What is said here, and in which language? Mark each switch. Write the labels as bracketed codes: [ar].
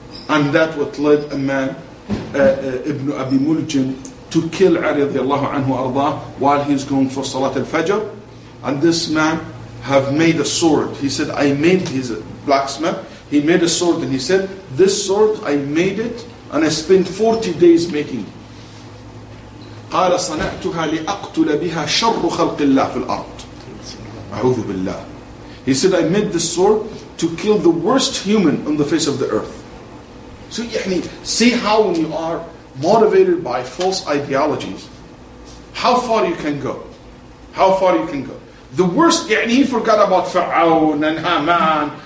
[en] And that what led a man, Ibn Abi Muljim, to kill Ali radiallahu anhu arda while he's going for Salat al-Fajr. And this man have made a sword. He said, I made, he's a blacksmith. He made a sword and he said, this sword, I made it and I spent 40 days making it. [ar] قال صنعتها لأقتل بها شر خلق الله في الأرض. أعوذ بالله. [en] He said, I made this sword to kill the worst human on the face of the earth. So, يعني, see how when you are motivated by false ideologies, how far you can go. How far you can go. The worst, يعني, he forgot about Fir'aun and Haman.